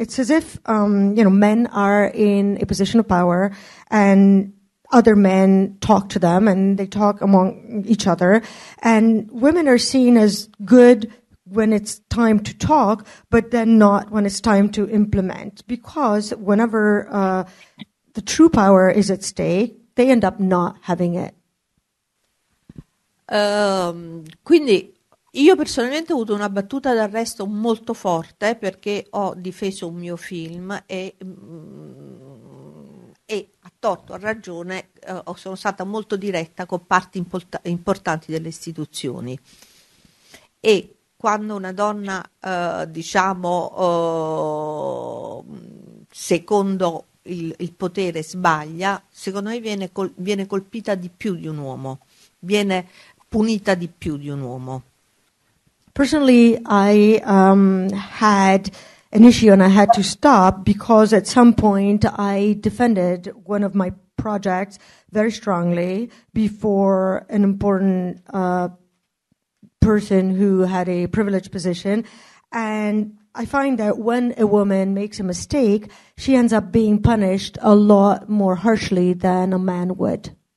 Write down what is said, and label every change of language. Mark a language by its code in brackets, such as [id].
[en] It's as if men are in a position of power and other men talk to them and they talk among each other, and women are seen as good when it's time to talk, but then not when it's time to implement. Because whenever the true power is at stake, they end up not having it. [it] Quindi io personalmente ho avuto una battuta d'arresto molto forte, perché ho difeso un mio film e a torto, a ragione, sono stata molto diretta con parti importanti delle istituzioni. E quando una donna, secondo il potere sbaglia, secondo me viene colpita di più di un uomo, viene punita di più di un uomo. [en] Personally, I had an issue and I had to stop, because at some point I defended one of my projects very strongly before an important person who had a privileged position, and I find that when a woman makes a mistake, she ends up being punished a lot more harshly than a man would.